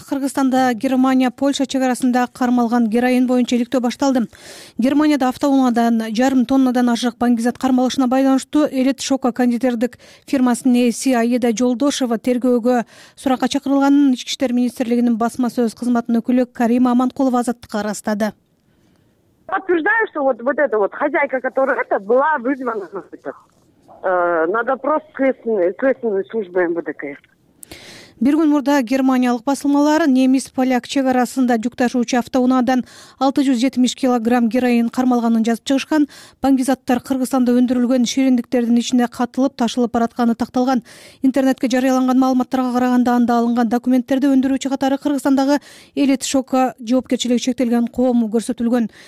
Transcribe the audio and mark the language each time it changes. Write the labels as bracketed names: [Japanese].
[Kyrgyz] Кыргызстанда Германия Польша чек арасында кармалган героин боюнча иликтөө башталды. Германияда автоунаадан 0.5 тоннадан ашык баңгизат кармалышына байланыштуу элит шоко кондитердик фирмасынын ээси Аида Жолдошева тергөөгө суракка чакырылганын Ички иштер министрлигинин басма сөз кызматынын өкүлү Карима Аманкулова азаттыкка ырастады. [Russian] Подтверждаю, что вот эта вот хозяйка, которая это была вызвана на допрос следственной службы МВДК. [Kyrgyz] Бир күн мурда германиялык басылмалар немис поляк чек арасында жүк ташуучу автоунаадан 670 килограмм героин кармалганын жазып чыгышкан. Баңгизаттар Кыргызстанда өндүрүлгөн шириндиктердин ичинде катылып ташылып баратканы такталган. Интернетке жарыяланган маалыматтарга караганда анда алынган документтерди өндүрүүчү катары Кыргызстандагы элит шоко жоопкерчилиги чектелген коому көрсөтүлгөн.